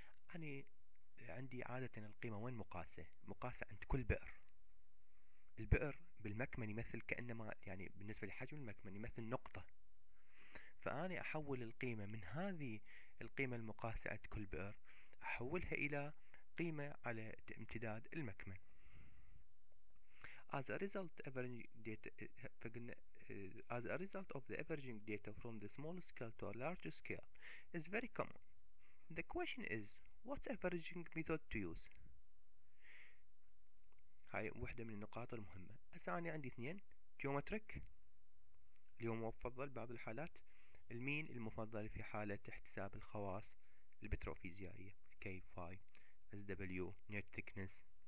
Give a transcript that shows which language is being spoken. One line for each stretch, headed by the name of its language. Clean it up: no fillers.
Arabic: يعني عندي عادة القيمة وين مقاسة عند كل بئر. البئر بالمكمن يمثل كأنما يعني بالنسبة لحجم المكمن يمثل نقطة، فأني أحول القيمة من هذه القيمة المقاسة عند كل بئر أحولها إلى قيمة على امتداد المكمن.
English: As a result, of the averaging data from the small scale to a large scale is very common. The question is, what averaging method to use?
Arabic: هاي واحدة من النقاط المهمة. أساني عندي اثنين، geometric اللي هو مفضل بعض الحالات، المين المفضل في حالة احتساب الخواص البتروفيزيائية K, Phi, SW, net thickness.